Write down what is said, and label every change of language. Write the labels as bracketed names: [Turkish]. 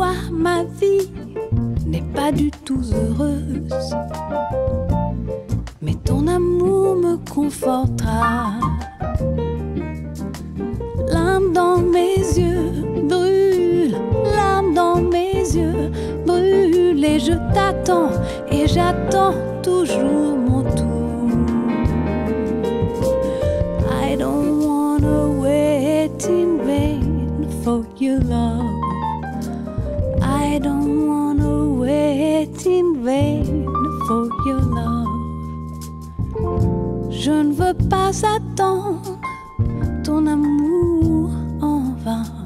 [French] Ma vie n'est pas du tout heureuse, mais ton amour me confortera. L'âme dans mes yeux brûle, l'âme dans mes yeux brûle, et je t'attends, et j'attends toujours mon tour. [English] I don't wanna wait in vain for your love. I don't wanna wait in vain for your love. [French] Je ne veux pas attendre ton amour en vain.